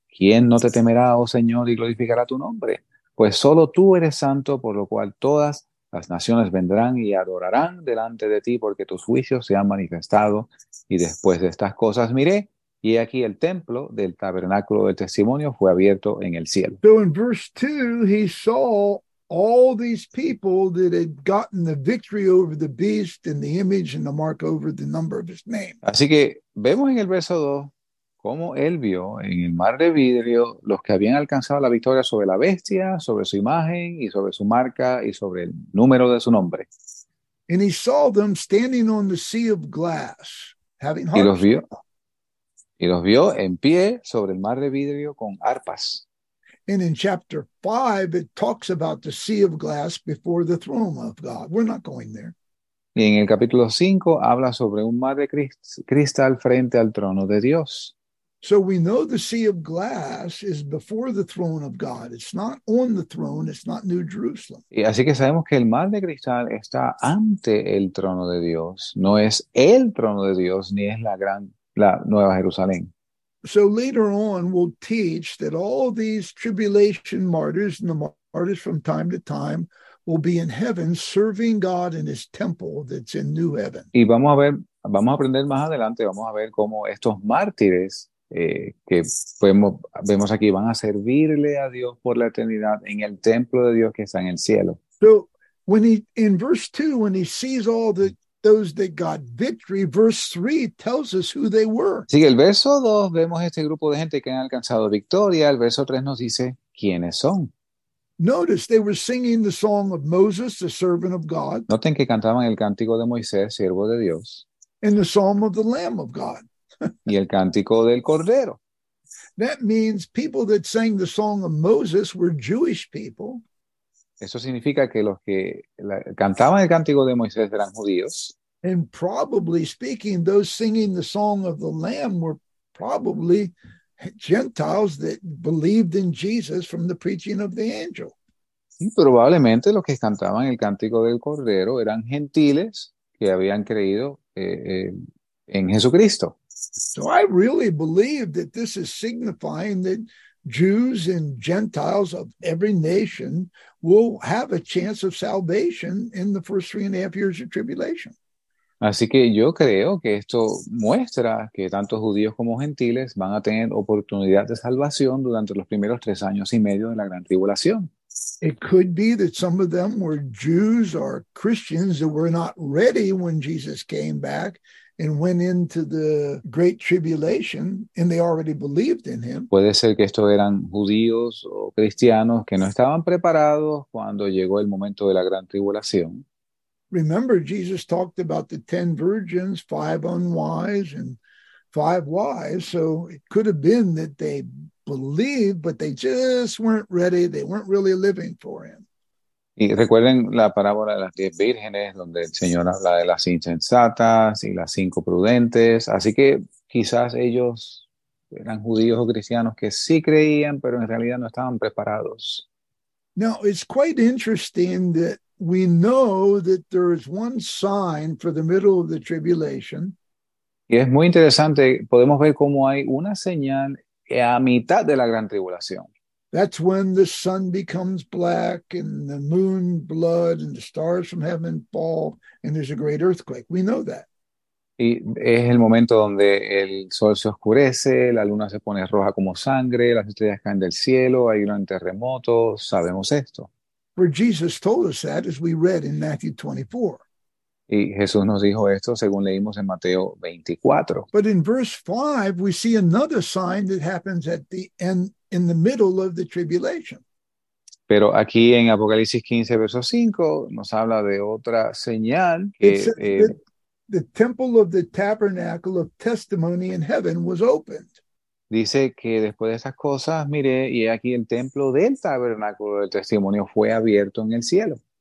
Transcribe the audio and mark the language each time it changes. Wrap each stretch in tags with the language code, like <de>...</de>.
<es>¿Quién no te temerá, oh Señor, y glorificará tu nombre? Pues solo tú eres santo, por lo cual todas las naciones vendrán y adorarán delante de ti, porque tus juicios se han manifestado. Y después de estas cosas miré, y aquí el templo del tabernáculo del testimonio fue abierto en el cielo.</es> <en>So in verse 2, he saw all these people that had gotten the victory over the beast and the image and the mark over the number of his name.</en> <es>Así que vemos en el verso 2 cómo él vio en el mar de vidrio los que habían alcanzado la victoria sobre la bestia, sobre su imagen y sobre su marca y sobre el número de su nombre.</es> <en>And he saw them standing on the sea of glass, having harps.</en> <es>Y los vio. Y los vio en pie sobre el mar de vidrio con arpas.</es> <en>And in chapter 5, it talks about the sea of glass before the throne of God. We're not going there.</en> <es>Y en el capítulo 5 habla sobre un mar de cristal frente al trono de Dios.</es> <en>So we know the sea of glass is before the throne of God. It's not on the throne. It's not New Jerusalem.</en> <es>Y así que sabemos que el mar de cristal está ante el trono de Dios. No es el trono de Dios ni es la Nueva Jerusalén.</es> <en>So later on, we'll teach that all these tribulation martyrs and the martyrs from time to time will be in heaven serving God in his temple that's in new heaven.</en> <es>Y vamos a aprender más adelante, vamos a ver cómo estos mártires que vemos aquí van a servirle a Dios por la eternidad en el templo de Dios que está en el cielo.</es> <en>So, when he, in verse 2, when he sees all the those that got victory, verse 3 tells us who they were.</en> <es>Sí, el verso 2 vemos este grupo de gente que han alcanzado victoria. El verso 3 nos dice quiénes son.</es> <en>Notice they were singing the song of Moses, the servant of God.</en> <es>Noten que cantaban el cántico de Moisés, siervo de Dios.</es> <en>And the psalm of the Lamb of God.</en> <es>Y el cántico del Cordero.</es> <en>That means people that sang the song of Moses were Jewish people.</en> <es>Eso significa que los que cantaban el cántico de Moisés eran judíos.</es> <en>And probably speaking, those singing the song of the Lamb were probably Gentiles that believed in Jesus from the preaching of the angel.</en> <es>Y probablemente los que cantaban el cántico del Cordero eran gentiles que habían creído en Jesucristo.</es> <en>So I really believe that this is signifying that Jews and Gentiles of every nation will have a chance of salvation in the first 3.5 years of tribulation.</en> <es>Así que yo creo que esto muestra que tanto judíos como gentiles van a tener oportunidad de salvación durante los primeros 3 años y medio de la gran tribulación.</es> <en>It could be that some of them were Jews or Christians that were not ready when Jesus came back and went into the great tribulation, and they already believed in him.</en> <es>Puede ser que estos eran judíos o cristianos que no estaban preparados cuando llegó el momento de la gran tribulación.</es> <en>Remember, Jesus talked about the 10 virgins, 5 unwise and 5 wise. So it could have been that they believed, but they just weren't ready. They weren't really living for him.</en> <es>Y recuerden la parábola de las 10 vírgenes, donde el Señor habla de las insensatas y las 5 prudentes. Así que quizás ellos eran judíos o cristianos que sí creían, pero en realidad no estaban preparados.</es> <en>Now, it's quite interesting that we know that there is one sign for the middle of the tribulation.</en> <es>Y es muy interesante, podemos ver cómo hay una señal a mitad de la gran tribulación.</es> <en>That's when the sun becomes black and the moon blood and the stars from heaven fall and there's a great earthquake. We know that.</en> <es>Y es el momento donde el sol se oscurece, la luna se pone roja como sangre, las estrellas caen del cielo, hay un terremoto, sabemos esto.</es> <en>For Jesus told us that as we read in Matthew 24.</en> <es>Y Jesús nos dijo esto según leímos en Mateo 24.</es> <en>But in verse 5 we see another sign that happens at the end in the middle of the tribulation.</en> <es>Pero aquí en Apocalipsis 15 verso 5 nos habla de otra señal que</es> <en>the temple of the tabernacle of testimony in heaven was opened.</en> <es>Dice que después de esas cosas miré y aquí el templo del tabernáculo del testimonio fue abierto en el cielo.</es>